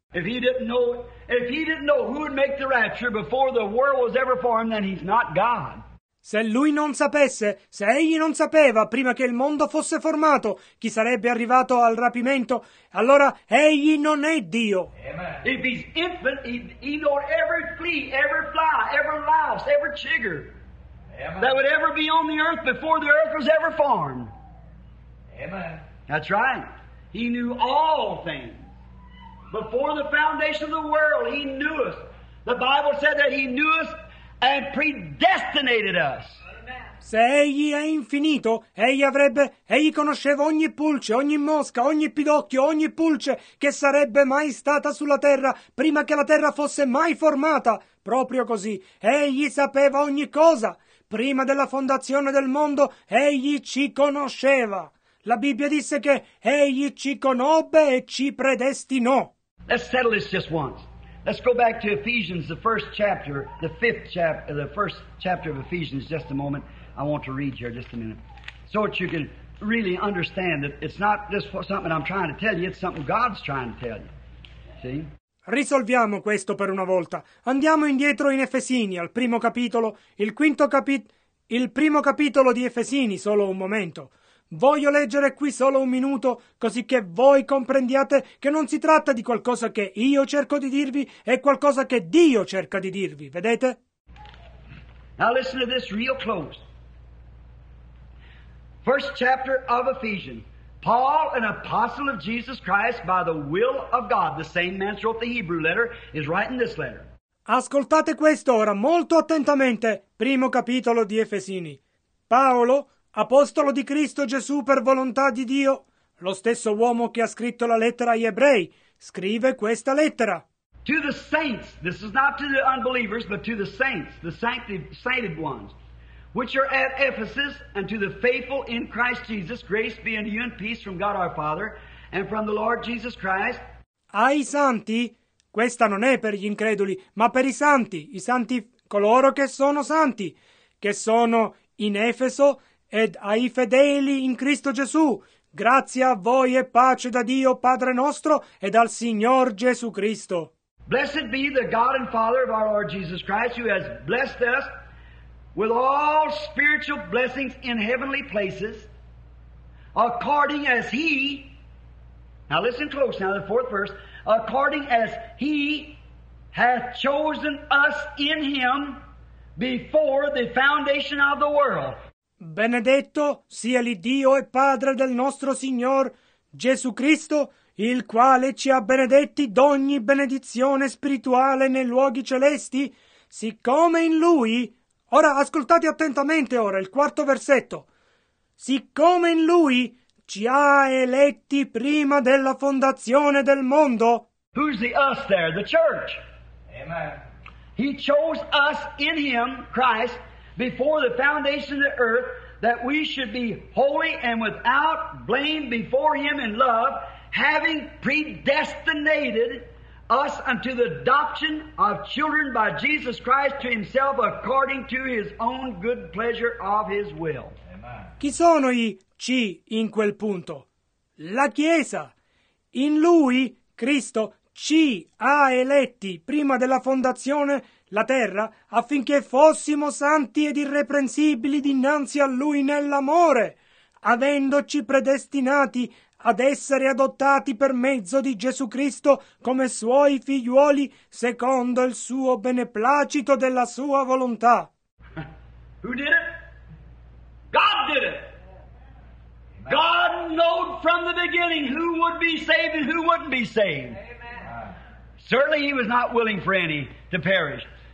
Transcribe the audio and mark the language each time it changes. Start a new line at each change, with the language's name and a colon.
English: If he didn't know who would make the rapture before the world was ever formed, then he's not God.
Italian: Se lui non sapesse, se egli non sapeva prima che il mondo fosse formato chi sarebbe arrivato al rapimento, allora egli non è Dio.
English: Amen. If he's infant, he know every flea, every fly, every louse, every chigger. Amen. That would ever be on the earth before the earth was ever formed. Amen. That's right. He knew all things. Before the foundation of the world, he knew us. The Bible said that he knew us and predestinated us.
Italian: Se egli è infinito, egli conosceva ogni pulce, ogni mosca, ogni pidocchio, ogni pulce che sarebbe mai stata sulla terra prima che la terra fosse mai formata. Proprio così, egli sapeva ogni cosa. Prima della fondazione del mondo, egli ci conosceva. La Bibbia disse che egli ci conobbe e ci predestinò.
English: Let's settle this just once. Let's go back to Ephesians, the first chapter, the fifth chapter, the first chapter of Ephesians, just a moment. I want to read here just a minute. So that you can really understand that it's not just something I'm trying to tell you, it's something God's trying to tell you. See?
Italian: Risolviamo questo per una volta. Andiamo indietro in Efesini, al primo capitolo, il primo capitolo di Efesini, solo un momento. Voglio leggere qui solo un minuto, così che voi comprendiate che non si tratta di qualcosa che io cerco di dirvi, è qualcosa che Dio cerca di dirvi, vedete?
English: Now listen to this real close. First chapter of Ephesians. Paul, an apostle of Jesus Christ by the will of God, the same man who wrote the Hebrew letter, is writing this letter.
Italian: Ascoltate questo ora molto attentamente, primo capitolo di Efesini. Paolo, apostolo di Cristo Gesù per volontà di Dio, lo stesso uomo che ha scritto la lettera agli ebrei, scrive questa lettera.
English: To the saints, this is not to the unbelievers, but to the saints, the sainted ones, which are at Ephesus, and to the faithful in Christ Jesus, grace be unto you and peace from God our Father, and from the Lord Jesus Christ.
Italian: Ai santi, questa non è per gli increduli, ma per i santi coloro che sono santi, che sono in Efeso, ed ai fedeli in Cristo Gesù, grazia a voi e pace da Dio Padre nostro e dal Signor Gesù Cristo.
English: Blessed be the God and Father of our Lord Jesus Christ, who has blessed us with all spiritual blessings in heavenly places, according as He, now listen close now, the fourth verse, according as He hath chosen us in Him before the foundation of the world.
Italian: Benedetto sia l'Iddio e Padre del nostro Signor Gesù Cristo, il quale ci ha benedetti d'ogni benedizione spirituale nei luoghi celesti, siccome in Lui, ora ascoltate attentamente ora il quarto versetto, siccome in Lui ci ha eletti prima della fondazione del mondo.
English: Who's the us there? The church. Amen. He chose us in Him, Christ, before the foundation of the earth, that we should be holy and without blame before Him in love, having predestinated us unto the adoption of children by Jesus Christ to Himself according to His own good pleasure of His will. Amen.
Italian: Chi sono i ci in quel punto? La Chiesa. In Lui, Cristo, ci ha eletti prima della fondazione la terra, affinché fossimo santi ed irreprensibili dinanzi a Lui nell'amore, avendoci predestinati ad essere adottati per mezzo di Gesù Cristo come suoi figliuoli, secondo il suo beneplacito della sua volontà.
English: Who did it? God did it. God knowed from the beginning who would be saved and who wouldn't be saved. Certainly he was not willing for any to perish.